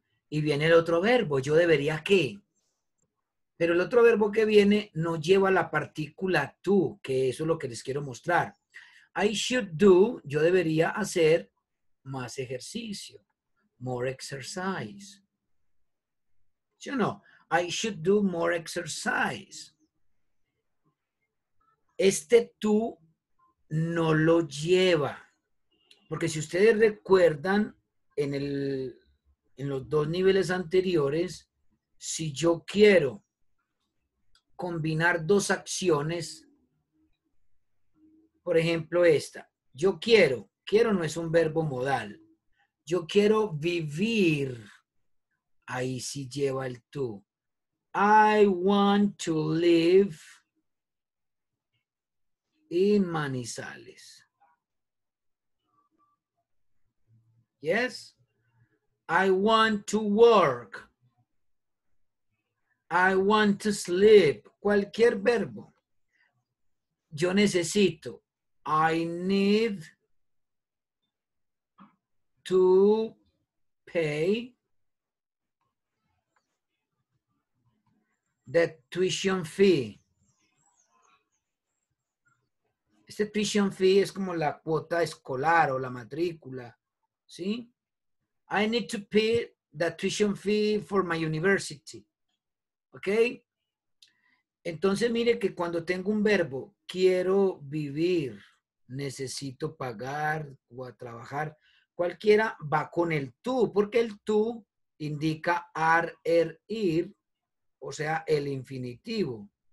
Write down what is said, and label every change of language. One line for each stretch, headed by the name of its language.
Spanish: Y viene el otro verbo, yo debería qué. Pero el otro verbo que viene no lleva la partícula to, que eso es lo que les quiero mostrar.
English: I should do,
Spanish: yo debería hacer más ejercicio.
English: More exercise.
Spanish: ¿Sí o no?
English: I should do more exercise.
Spanish: Este to no lo lleva. Porque si ustedes recuerdan en los dos niveles anteriores, si yo quiero combinar dos acciones, por ejemplo esta, yo quiero no es un verbo modal, yo quiero vivir, ahí sí lleva el to.
English: I want to live in Manizales. Yes? I want to work. I want to sleep.
Spanish: Cualquier verbo. Yo necesito.
English: I need to pay the tuition fee.
Spanish: Este tuition fee es como la cuota escolar o la matrícula, ¿sí?
English: I need to pay the tuition fee for my university, ¿ok?
Spanish: Entonces, mire que cuando tengo un verbo, quiero vivir, necesito pagar o a trabajar, cualquiera va con el to, porque el to indica ir, o sea, el infinitivo.